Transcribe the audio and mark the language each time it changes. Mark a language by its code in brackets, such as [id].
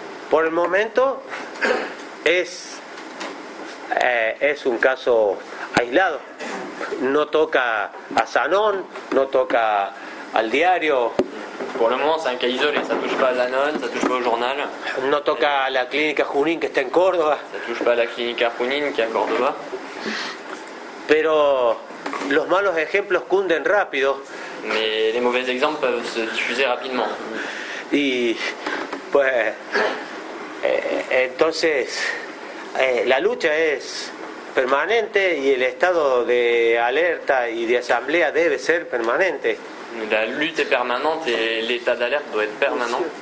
[es] Por el momento es es un caso aislado. No toca a Zanon, no toca al diario. Por el momento es un caso [fr] isolé, ça touche pas à Zanon, ça touche pas au journal. [es] No toca a la clínica Junín que está en Córdoba. [fr] Ça touche pas à la clínica Junín que est à Córdoba. [es] Pero los malos ejemplos cunden rápido. [fr] Mais les mauvais exemples peuvent se diffuser rapidement. [es] Y pues entonces la lucha es permanente y el estado de alerta y de asamblea debe ser permanente. [fr] La lutte est permanente et l'état d'alerte doit être permanent.